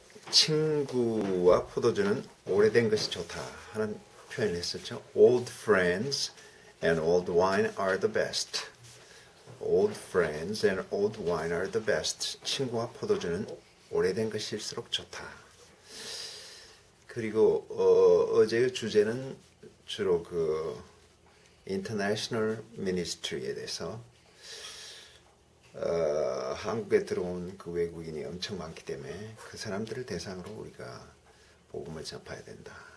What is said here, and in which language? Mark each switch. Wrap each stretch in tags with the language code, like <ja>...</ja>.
<ko>친구와 포도주는 오래된 것이 좋다 하는 표현을 했었죠.</ko> <en>Old friends and old wine are the best. Old friends and old wine are the best.</en> <ko>친구와 포도주는 오래된 것일수록 좋다. 그리고 어제의 주제는 주로 그 International Ministry에 대해서 한국에 들어온 그 외국인이 엄청 많기 때문에 그 사람들을 대상으로 우리가 복음을 전파해야 된다.</ko>